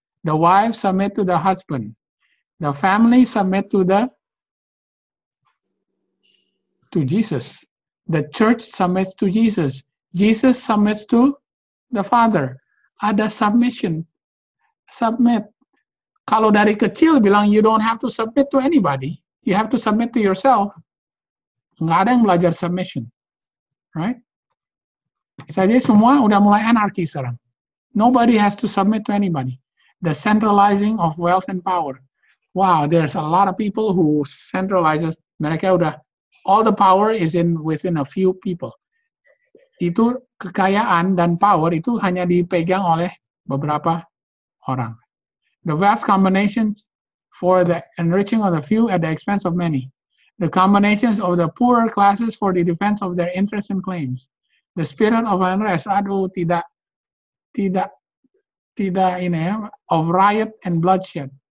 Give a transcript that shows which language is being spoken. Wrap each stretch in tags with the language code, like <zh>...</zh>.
<en>The wife submit to the husband. The family submit to Jesus. The church submits to Jesus. Jesus submits to the Father.</en> <id>Ada submission. Submit. Kalau dari kecil bilang</id> <en>you don't have to submit to anybody. You have to submit to yourself.</en> <id>Nggak ada yang belajar submission. Right? Jadi semua udah mulai anarki sekarang.</id> <en>Nobody has to submit to anybody. The centralizing of wealth and power. Wow, there's a lot of people who centralizes.</en> <id>Mereka udah,</id> <en>all the power is in within a few people.</en> <id>Itu kekayaan dan power itu hanya dipegang oleh beberapa orang.</id> <en>The vast combinations for the enriching of the few at the expense of many. The combinations of the poorer classes for the defense of their interests and claims. The spirit of unrest,</en> <id>aduh, tidak ini ya,</id> <en>of riot and bloodshed.</en>